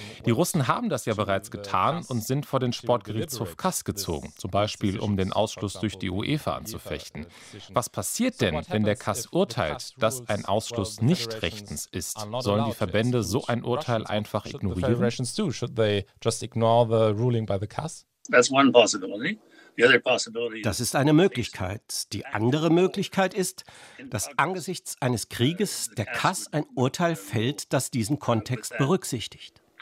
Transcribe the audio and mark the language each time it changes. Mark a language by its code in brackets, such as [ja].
[de] Die Russen haben das ja bereits getan und sind vor den Sportgerichtshof CAS gezogen, zum Beispiel um den Ausschluss durch die UEFA anzufechten. Was passiert denn, wenn der CAS urteilt, dass ein Ausschluss nicht rechtens ist? Sollen die Verbände so ein Urteil einfach ignorieren? [en] Should they just ignore the ruling by the CAS? That's one possibility. [de] Das ist eine Möglichkeit. Die andere Möglichkeit ist, dass angesichts eines Krieges der CAS ein Urteil fällt, das diesen Kontext berücksichtigt.